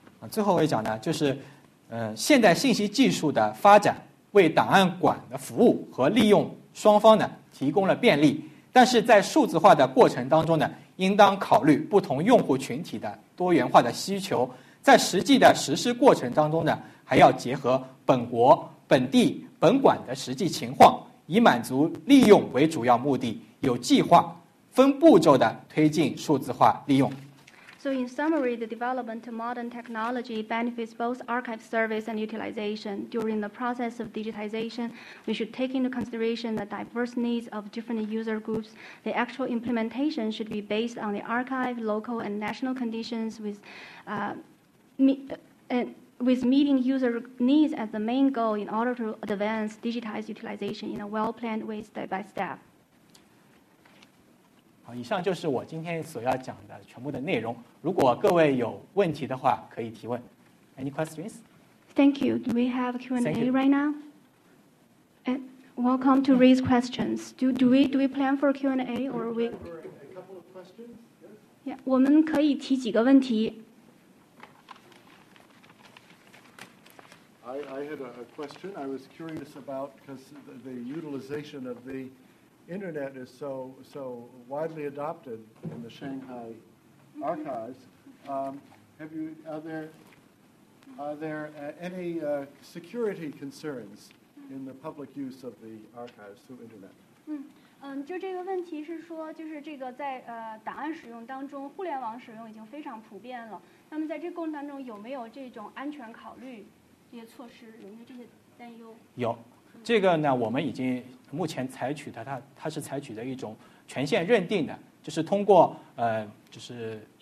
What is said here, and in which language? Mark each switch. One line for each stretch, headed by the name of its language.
Chinese: 最后我也讲呢，就是现代信息技术的发展为档案馆的服务和利用双方呢提供了便利，但是在数字化的过程当中呢，应当考虑不同用户群体的多元化的需求，在实际的实施过程当中呢，还要结合本国本地本馆的实际情况，以满足利用为主要目的，有计划分步骤的推进数字化利用。
English: So in summary, the development of modern technology benefits both archive service and utilization. During the process of digitization, we should take into consideration the diverse needs of different user groups. The actual implementation should be based on the archive, local and national conditions with meeting user needs as the main goal in order to advance digitized utilization in a well-planned way step by step.
Chinese: 好，以上就是我今天所要讲的全部的内容。如果各位有问题的话，可以提问。
English: Any questions? Thank you. Do we have Q&A right now? And welcome to raise questions. Do we plan for Q&A or we? A couple of questions.
Chinese: Yeah, 我们可以提几个问题。
English: I had a question. I was curious about because the utilization of the internet is so widely adopted in the Shanghai. Archives, are there any security concerns in the public use of the archives through internet?
Chinese: 就这个问题是说，就是这个在档案使用当中，互联网使用已经非常普遍了。那么在这个过程当中，有没有这种安全考虑这些措施？有没有这些担忧？有，这个呢，我们已经目前采取的，它是采取的一种权限认定的，就是通过就是。